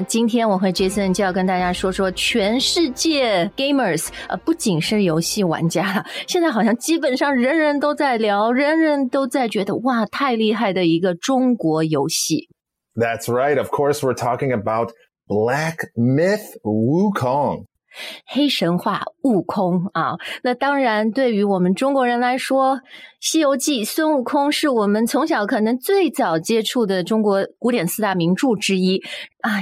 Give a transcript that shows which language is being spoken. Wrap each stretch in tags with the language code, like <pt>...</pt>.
<zh>今天我和 Jason 就要跟大家说说全世界 gamers， 不仅是游戏玩家了，现在好像基本上人人都在聊，人人都在觉得哇，太厉害的一个中国游戏。</zh> <en>That's right. Of course, we're talking about Black Myth Wukong.</en> <zh>黑神话悟空啊，那当然对于我们中国人来说，西游记孙悟空是我们从小可能最早接触的中国古典四大名著之一啊。</zh>